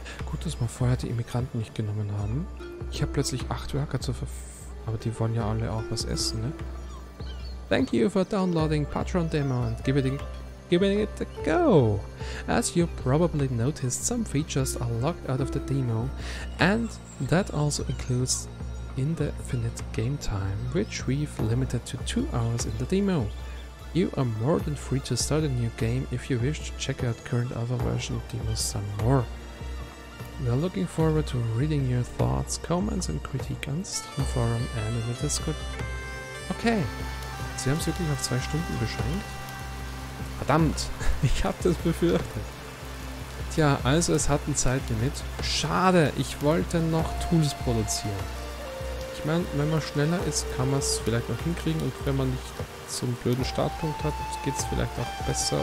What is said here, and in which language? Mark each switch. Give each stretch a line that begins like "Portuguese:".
German: Gut, dass wir vorher die Immigranten nicht genommen haben. Ich habe plötzlich 8 Worker zur Verfügung. Aber die wollen ja alle auch was essen, ne?
English: Thank you for downloading Patreon Demo and giving it a go. As you probably noticed, some features are locked out of the demo, and that also includes indefinite game time, which we've limited to 2 hours in the demo. You are more than free to start a new game if you wish to check out current alpha version demos some more. We are looking forward to reading your thoughts, comments and critique on Steam Forum and in the Discord.
German: Okay, sie haben es wirklich auf 2 Stunden beschränkt. Verdammt, ich hab das befürchtet. Tja, also es hat ein Zeitlimit. Schade, ich wollte noch Tools produzieren. Ich meine, wenn man schneller ist, kann man es vielleicht noch hinkriegen. Und wenn man nicht so einen blöden Startpunkt hat, geht es vielleicht auch besser.